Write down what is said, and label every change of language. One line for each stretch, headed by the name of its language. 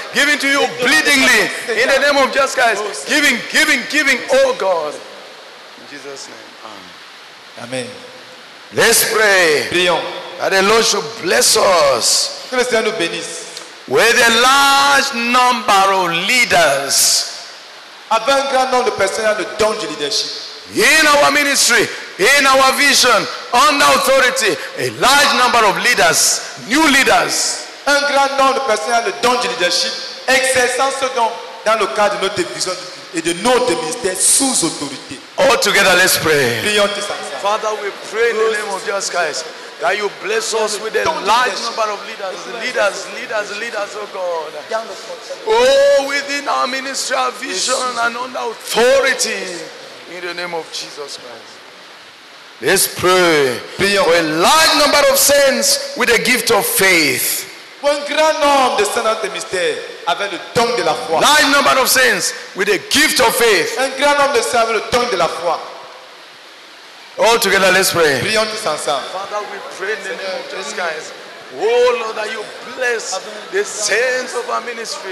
English: Giving to you bleedingly. In the name of Jesus Christ. Giving, giving, giving, oh God. In Jesus' name. Amen. Amen. Let's pray that the Lord should bless us with a large number of leaders.
French: Avec un grand nombre de personnes ayant le don du leadership.
English: In our ministry, in our vision, under authority, a large number of leaders, new leaders.
French: Un grand nombre de personnes ayant le don du leadership, exerçant ce don dans le cadre de notre vision et de notre ministère sous autorité.
English: All together, let's pray.
French: Prions tous ensemble.
English: Father, we pray in the name of Jesus Christ that you bless us with a large number of leaders, leaders, leaders, leaders, oh God. Oh, within our ministry, our vision, and under authority, in the name of Jesus Christ. Let's pray.
French: Prions.
English: For a large number of saints with the gift of faith.
French: Pour un grand nombre de saints dans tes mystères avec le don de la foi.
English: Large number of saints with the gift of faith.
French: Un grand nombre de saints avec le don de la foi.
English: All together, let's pray.
French: Prions tous ensemble.
English: Father, we pray in the name of Jesus Christ. Oh Lord, that you bless the saints of our ministry.